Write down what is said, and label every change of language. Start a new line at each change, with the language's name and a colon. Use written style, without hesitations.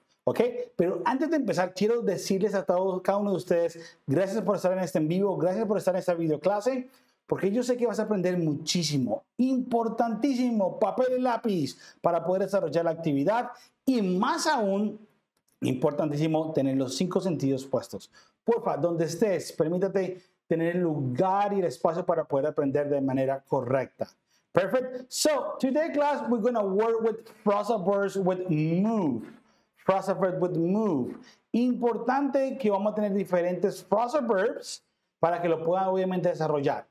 Spanish: Ok, pero antes de empezar, quiero decirles a todos, cada uno de ustedes, gracias por estar en este en vivo, gracias por estar en esta video clase, porque yo sé que vas a aprender muchísimo, importantísimo, papel y lápiz para poder desarrollar la actividad y más aún, importantísimo, tener los cinco sentidos puestos. Porfa, donde estés, permítate tener el lugar y el espacio para poder aprender de manera correcta.
English: Perfect. So, today class, we're going to work with phrasal verbs with move. Phrasal verbs with move.
Spanish: Importante que vamos a tener diferentes phrasal verbs para que lo puedan obviamente desarrollar.